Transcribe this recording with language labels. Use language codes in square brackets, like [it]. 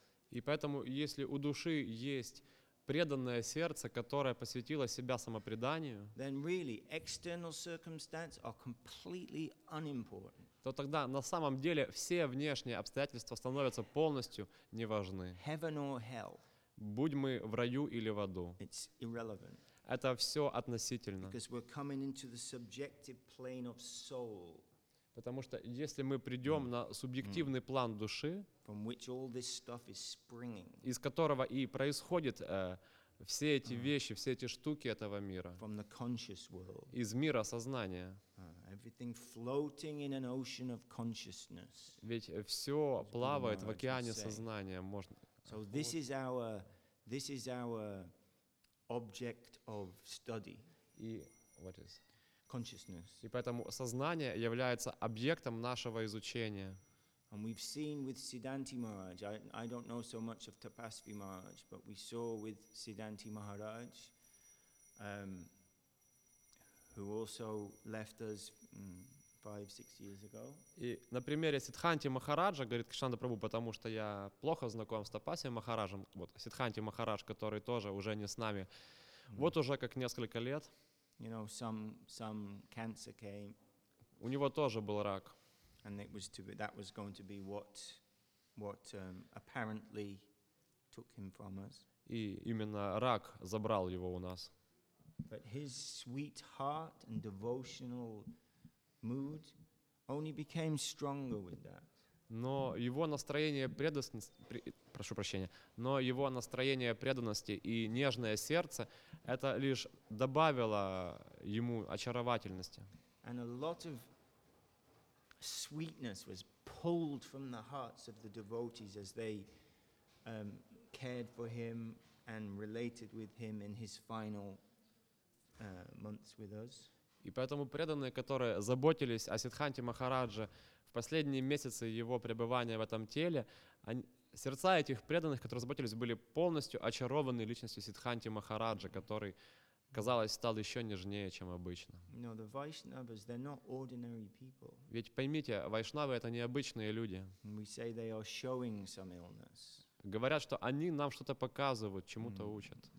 [ru] И поэтому, если у души есть преданное сердце, которое посвятило себя самопреданию, [en] then really external circumstances are completely unimportant. [ru] То тогда на самом деле все внешние обстоятельства становятся полностью неважны. [en] Heaven or hell. [ru] Будь мы в раю или в аду. [en] It's irrelevant. [ru] Это все относительно. [en] Because we're coming into the subjective plane of soul. [ru] Потому что если мы придем на субъективный план души, [en] from which all this stuff is springing, [ru] из которого и происходят все эти вещи, все эти штуки этого мира, [en] from the conscious world, [ru] из мира сознания, [en] everything floating in an ocean of consciousness, [ru] ведь все плавает в океане сознания. Можно. [en] So this is our, this is our object of study. И what is? Consciousness. [ru] И поэтому сознание является объектом нашего изучения. [en] And we've seen with Siddhanti Maharaj. I don't know so much of Tapasvi Maharaj, but we saw with Siddhanti Maharaj, who also left us 5-6 years ago. [ru] И на примере Сиддханти Махараджа, говорит Кришнанда Прабху, потому что я плохо знаком с Тапасви Махараджем, вот Сиддханти Махарадж, который тоже уже не с нами, вот уже как несколько лет. [en] You know, some cancer came. [ru] У него тоже был рак. [en] And it was to be, that was going to be what apparently took him from us. [ru] И именно рак забрал его у нас. [en] But his sweet heart and devotional mood only became stronger with that. [ru] Но его настроение преданности, прошу прощения, но его настроение преданности и нежное сердце это лишь добавило ему очаровательности. [en] And a lot of sweetness was pulled from the hearts of the devotees as they cared for him and related with him in his final months with us. [ru] И поэтому преданные, которые заботились о Сиддханте Махарадже в последние месяцы его пребывания в этом теле, они, сердца этих преданных, которые заботились, были полностью очарованы личностью Сиддханте Махараджа, который, казалось, стал еще нежнее, чем обычно. [en] No, the Vaishnavas, they're not ordinary people. [ru] Ведь поймите, вайшнавы — это необычные люди. [en] We say they are showing some illness. [ru] Говорят, что они нам что-то показывают, чему-то учат.